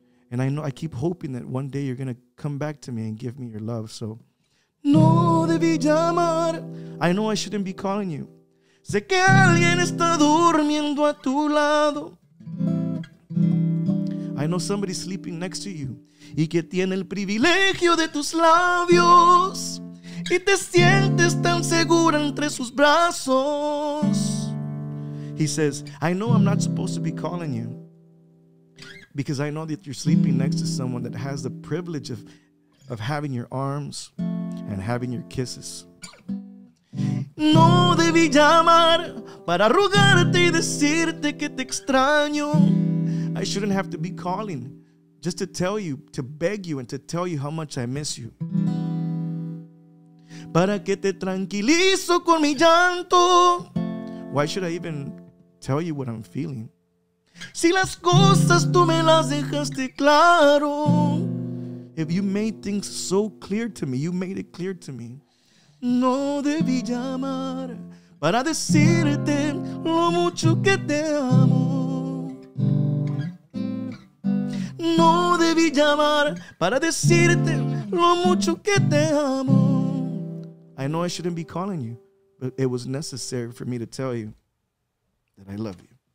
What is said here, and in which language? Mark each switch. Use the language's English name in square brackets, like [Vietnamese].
[English] And I know, I keep hoping that one day you're going to come back to me and give me your love. So, no debí llamar. I know I shouldn't be calling you. [Spanish] Sé que alguien está durmiendo a tu lado. I know somebody's sleeping next to you. Y que tiene el privilegio de tus labios. Y te sientes tan segura entre sus brazos. [English] He says, I know I'm not supposed to be calling you. Because I know that you're sleeping next to someone that has the privilege of having your arms and having your kisses. [Spanish] No debí llamar para rogarte y decirte que te extraño. [English] I shouldn't have to be calling just to tell you, to beg you and to tell you how much I miss you. [Spanish] Para que te tranquilizo con mi llanto. [English] Why should I even tell you what I'm feeling? [Spanish] Si las cosas tú me las dejaste claro. [English] If you made things so clear to me, you made it clear to me. [Spanish] No debí llamar para decirte lo mucho que te amo. No debí llamar para decirte lo mucho que te amo. [English] I know I shouldn't be calling you, but it was necessary for me to tell you that I love you.